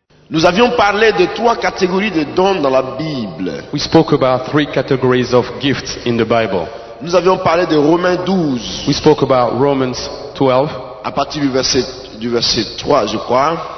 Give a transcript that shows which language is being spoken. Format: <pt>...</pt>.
<fr>Nous avions parlé de trois catégories de dons dans la Bible.</fr> <en>We spoke about three categories of gifts in the Bible.</en> <fr>Nous avions parlé de Romains 12.</fr> <en>We spoke about Romans 12.</en> <fr>À partir du verset 3, je crois.</fr>